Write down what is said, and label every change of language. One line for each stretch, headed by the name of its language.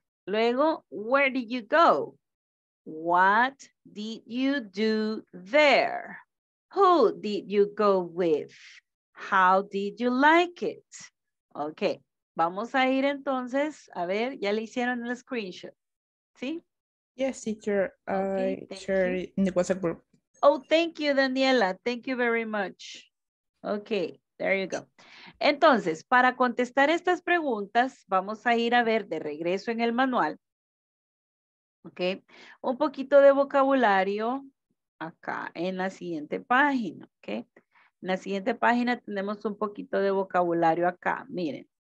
English: Luego, where did you go? What did you do there? Who did you go with? How did you like it?
Spanish: Ok, vamos a ir entonces, a ver, ya le hicieron el screenshot, ¿sí?
English: Yes, teacher, okay, I shared it in the WhatsApp group. Oh, thank you, Daniela, thank you very much. Ok, there you go.
Spanish: Entonces, para contestar estas preguntas, vamos a ir a ver de regreso en el manual. Ok, un poquito de vocabulario acá en la siguiente página, ok. En la siguiente página tenemos un poquito de vocabulario acá, miren.